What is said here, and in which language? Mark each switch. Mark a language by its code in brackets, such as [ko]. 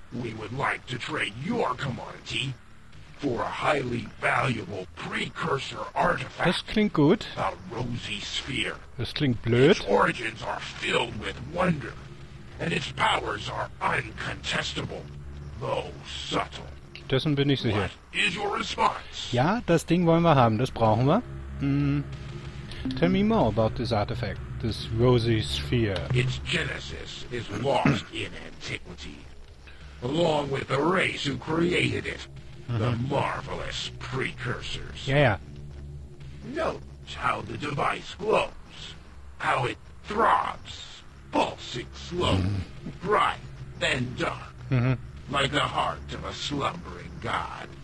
[en] We would like to trade your commodity for a highly valuable precursor artifact. [de] Das klingt gut. [en] The Rosy Sphere. [de] Das klingt blöd. [en] Its origins are filled with wonder, and its powers are incontestable, though subtle. [de] dessen bin ich sicher. [en] What is your response? [de] Ja, das Ding wollen wir haben, das brauchen wir. [en] Tell me more about this artifact, this rosy sphere. Its genesis is lost in antiquity, along with the race who created it, the marvelous precursors. Yeah. Note how the device glows, how it throbs, pulsing slow, bright, then dark, like the heart of a slumbering god.